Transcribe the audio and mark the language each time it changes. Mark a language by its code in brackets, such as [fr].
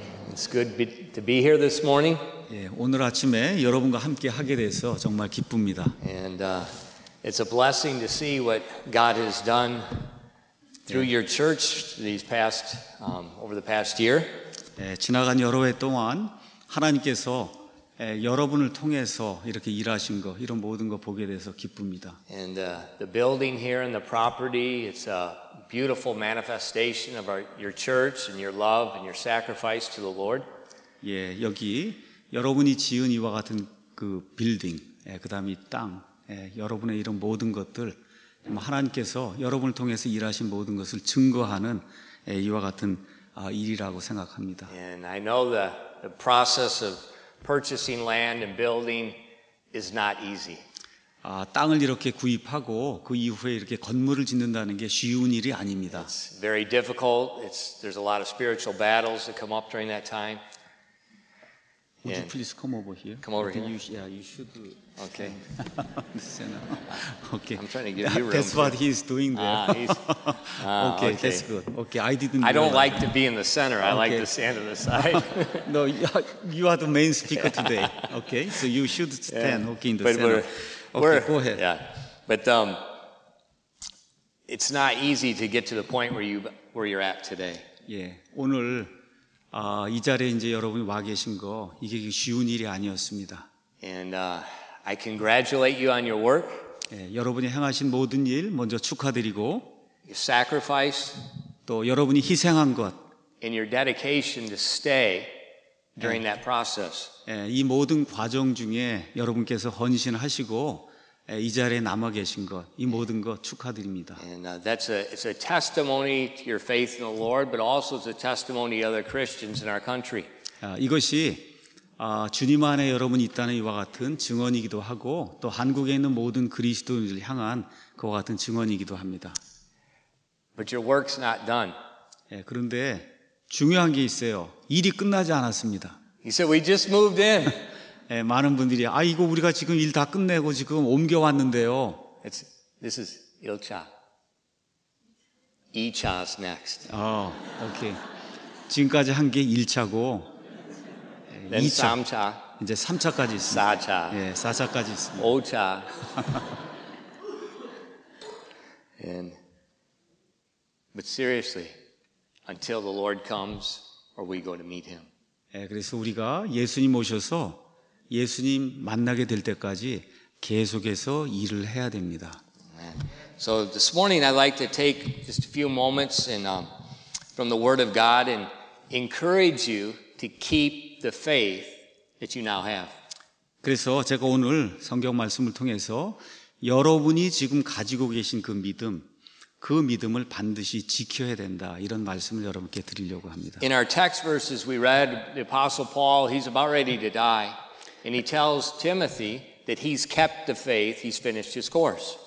[en] It's good to be here this morning. [ko] 예, 오늘 아침에 여러분과 함께 하게 돼서 정말 기쁩니다. [en] And it's a blessing to see what God has done through your church these past over the past year. [ko] 예, 지나간 여러 해 동안 하나님께서 여러분을 통해서 이렇게 일하신 거 이런 모든 거 보게 돼서 기쁩니다. [en] And the building here and the property, it's a beautiful manifestation of your church and your love and your sacrifice to the Lord. [ko] 예, 여기 여러분이 지은 이와 같은 그 빌딩, 예, 그다음에 땅, 예, 여러분의 이런 모든 것들 하나님께서 여러분을 통해서 일하신 모든 것을 증거하는 예, 이와 같은 일이라고 생각합니다. [en] And I know the process of purchasing land and building is not easy. [ko] 아, 땅을 이렇게 구입하고 그 이후에 이렇게 건물을 짓는다는 게 쉬운 일이 아닙니다. [en] It's very difficult. There's a lot of spiritual battles that come up during that time. Would you please come over here? Come over here. You should. Okay. Listen. Okay. I'm trying to give you room. That's what he's doing there. Okay, that's good. Okay, I didn't. I don't like to be in the center. I like to stand to the side. No, you are the main speaker today. Okay, so you should stand. Okay, in the center. Go ahead. Yeah, but it's not easy to get to the point where you're at today. [ko] 예, 오늘 이 자리에 이제 여러분이 와 계신 거 이게 쉬운 일이 아니었습니다. [en] And I congratulate you on your work. [ko] 예, 여러분이 행하신 모든 일 먼저 축하드리고. [en] Your sacrifice. [ko] 또 여러분이 희생한 것. [en] And your dedication to stay. During that process, [ko] 예, 이 모든 과정 중에 여러분께서 헌신하시고 예, 이 자리에 남아 계신 것, 이 모든 것 축하드립니다. [en] And it's a testimony to your faith in the Lord, but also it's a testimony to other Christians in our country. [ko] 아, 이것이 주님 안에 여러분 있다는 이와 같은 증언이기도 하고 또 한국에 있는 모든 그리스도인들 향한 그와 같은 증언이기도 합니다. [en] But your work's not done. [ko] 예, 그런데 중요한 게 있어요. 일이 끝나지 않았습니다. [en] He said, "We just moved in." [ko] 예, 많은 분들이 아 이거 우리가 지금 일 다 끝내고 지금 옮겨 왔는데요. [en] This is 1차. 2차 is next. [ko] 아, 오케이. 지금까지 한 게 1차고 [en] Then 2차. 3차. [ko] 이제 3차까지 있습니다. 4차. 예, 4차까지 있습니다. 5차. [en] But seriously, until the Lord comes or we go to meet him. [ko] 예, 그래서 우리가 예수님 오셔서 예수님 만나게 될 때까지 계속해서 일을 해야 됩니다. [en] So this morning I'd like to take just a few moments and from the word of God and encourage you to keep the faith that you now have. [ko] 그래서 제가 오늘 성경 말씀을 통해서 여러분이 지금 가지고 계신 그 믿음 그 믿음을 반드시 지켜야 된다 이런 말씀을 여러분께 드리려고 합니다. [en] In our text verses we read the apostle Paul he's about ready to die and he tells Timothy that he's kept the faith he's finished his course.